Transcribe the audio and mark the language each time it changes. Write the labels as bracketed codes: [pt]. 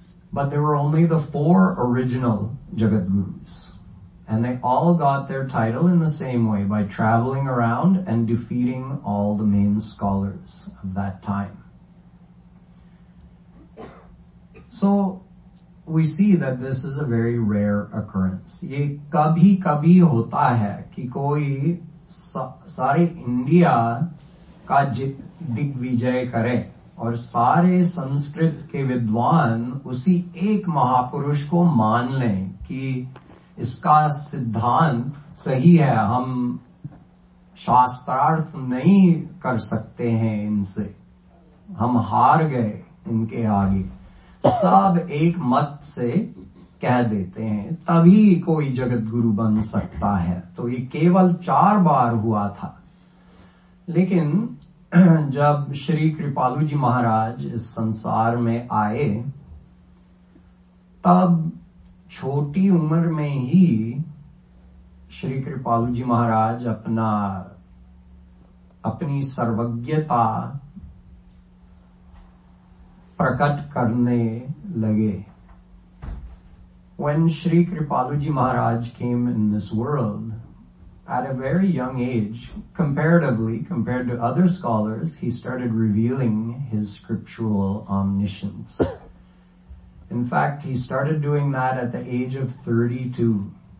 [en] But there were only the four original Jagadgurus. And they all got their title in the same way, by traveling around and defeating all the main scholars of that time. So we see that this is a very rare occurrence. [hi] Ye kabhi kabhi hota hai ki koi sare India ka digvijay kare aur sare Sanskrit ke vidwan usi ek mahapurush ko maan le ki इसका सिद्धांत सही है, हम शास्त्रार्थ नहीं कर सकते हैं इनसे, हम हार गए इनके आगे, सब एक मत से कह देते हैं, तभी कोई जगतगुरु बन सकता है। तो ये केवल चार बार हुआ था, लेकिन जब श्री कृपालु जी महाराज इस संसार में आए, तब छोटी उम्र में ही श्री कृपालु जी महाराज अपनी सर्वज्ञता प्रकट करने लगे। [en] When Shri Kripalu ji Maharaj came in this world, at a very young age, compared to other scholars, he started revealing his scriptural omniscience. In fact, he started doing that at the age of 32.